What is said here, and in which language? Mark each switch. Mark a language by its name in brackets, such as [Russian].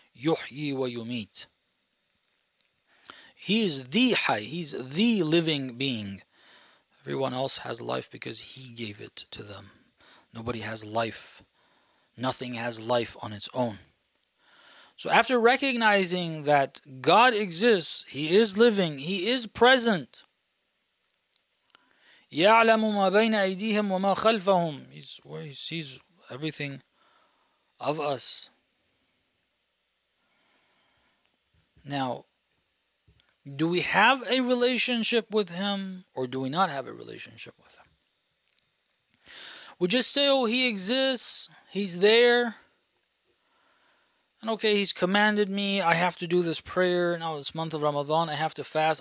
[Arabic] Yuhyi wa yumeet. [English] He is the Hayy, He's the living being. Everyone else has life because He gave it to them. Nobody has life. Nothing has life on its own. So after recognizing that God exists, He is living, He is present. [Arabic] يَعْلَمُ مَا بَيْنَ أَيْدِيهِمْ وَمَا خَلْفَهُمْ [English] He sees everything of us. Now, do we have a relationship with Him, or do we not have a relationship with Him? We just say, oh, He exists, He's there. And okay, He's commanded me, I have to do this prayer, now it's month of Ramadan, I have to fast.